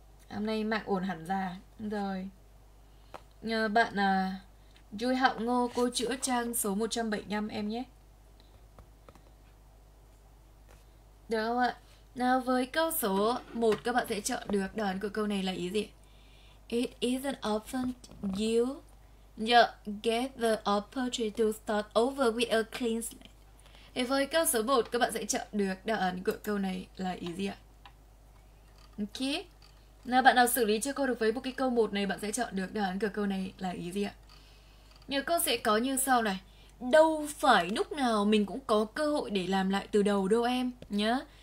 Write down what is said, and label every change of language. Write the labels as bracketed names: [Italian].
[Vietnamese] Hôm nay mạng ổn hẳn ra. Rồi. Nhờ bạn à, Duy Hạo Ngô, cô chữa trang số 175 em nhé. Được không ạ? Nào với câu số 1, các bạn sẽ chọn được đáp án của câu này là ý gì? [English] It isn't often you get the opportunity to start over with a clean slate. [Vietnamese] Thì với câu số 1, các bạn sẽ chọn được đáp án của câu này là ý gì ạ? Ok. Nào bạn nào xử lý cho cô được với một cái câu 1 này, bạn sẽ chọn được đáp án của câu này là ý gì ạ? Nhờ cô sẽ có như sau này. Đâu phải lúc nào mình cũng có cơ hội để làm lại từ đầu đâu em nhớ.